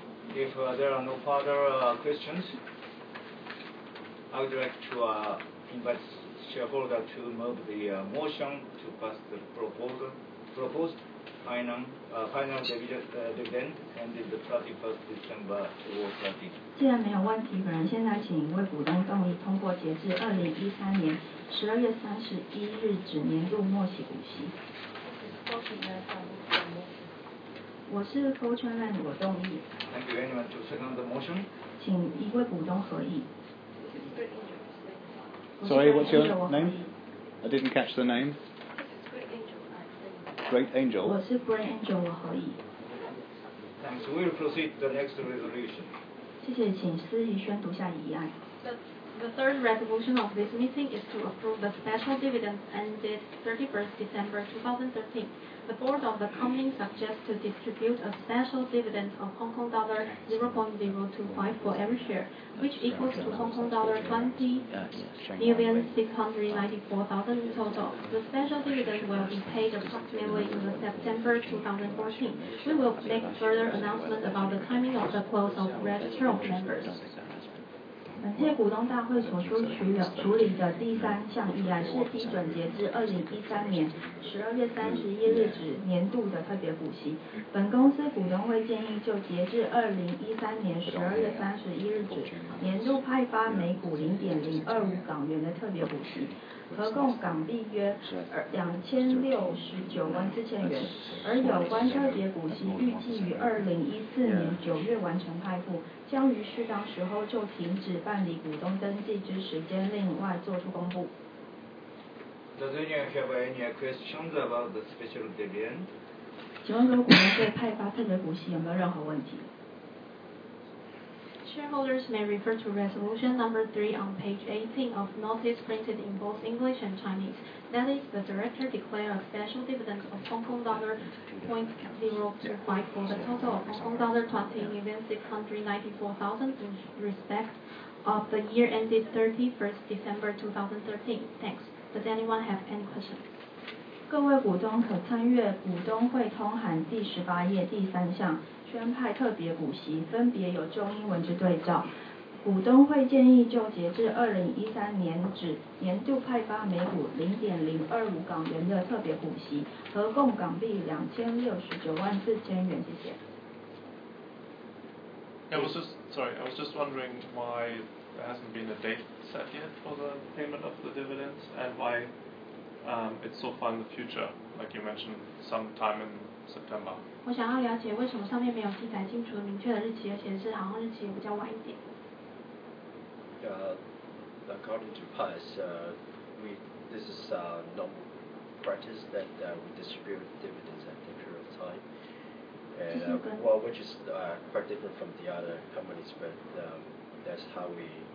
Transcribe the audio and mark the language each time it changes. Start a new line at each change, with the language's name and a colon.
English: If there are no further questions, I would like to invite shareholder to move the motion to pass the proposed final dividend ended the 31st December 2013.
Chinese: 既然没有问题，本人现在请一位股东动议通过截至2013年12月31日止年度末期股息。我是 Fortune Land， 我动议。
English: Thank you. Anyone to second the motion?
Chinese: 请一位股东合议。
English: Sorry, what's your name? I didn't catch the name. Great Angel.
Chinese: 我是 Great Angel， 我合议。
English: Thanks. We'll proceed to the next resolution.
Chinese: 谢谢，请司仪宣读下议案。
English: The third resolution of this meeting is to approve the special dividend ended 31st December 2013. The board of the company suggests to distribute a special dividend of Hong Kong dollar 0.025 for every share, which equals to Hong Kong dollar 20,694,000 in total. The special dividend will be paid approximately in the September 2014. We will make further announcement about the timing of the close of register of members.
Chinese: 本届股东大会所需处理的第三项议案是批准截至2013年12月31日止年度的特别股息。本公司股东会建议就截至2013年12月31日止年度派发每股 0.025 港元的特别股息，合共港币约2,694,000元，而有关特别股息预计于2014年9月完成派付，将于适当时候就停止办理股东登记之时间另外作出公布。
English: Does anyone have any questions about the special dividend?
Chinese: 请问股东对派发特别股息有没有任何问题？
English: Shareholders may refer to resolution number 3 on page 18 of notice printed in both English and Chinese. That is, the director declare a special dividend of Hong Kong dollar 0.025 for the total of Hong Kong dollar 20,694,000 in respect of the year ended 31st December 2013. Thanks. Does anyone have any questions?
Chinese: 各位股东可参阅股东会通函第十八页第三项宣派特别股息，分别有中英文之对照。股东会建议就截至2013年止年度派发每股 0.025 港元的特别股息，合共港币2,694,000元，谢谢。
English: I was just wondering why there hasn't been a date set yet for the payment of the dividends and why it's so far in the future, like you mentioned sometime in September.
Chinese: 我想要了解为什么上面没有记载清楚明确的日期，而且是好像日期也比较晚一点。
English: According to past, this is normal practice that we distribute dividends at the period of time. Which is quite different from the other companies, but that's how we